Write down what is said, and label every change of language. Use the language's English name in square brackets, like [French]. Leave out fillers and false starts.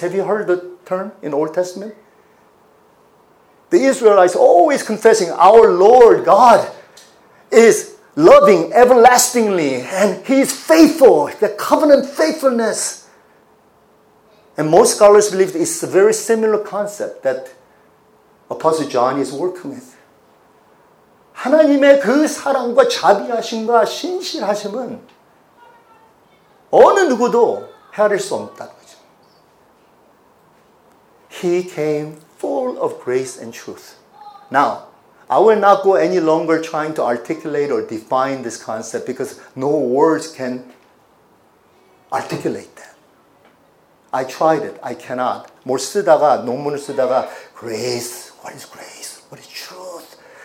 [English] Have you heard the term in Old Testament? The Israelites always confessing our Lord God is loving everlastingly, and he is faithful, the covenant faithfulness. And most scholars believe it's a very similar concept that Apostle John is working with. [Korean] 하나님의 그 사랑과 자비하심과 신실하심은 어느 누구도 헤아릴 수 없다는 거죠. [English] He came full of grace and truth. Now, I will not go any longer trying to articulate or define this concept because no words can articulate that. I tried it. I cannot. [Korean] 뭘 쓰다가, 논문을 쓰다가 [English] grace, what is grace? What is truth?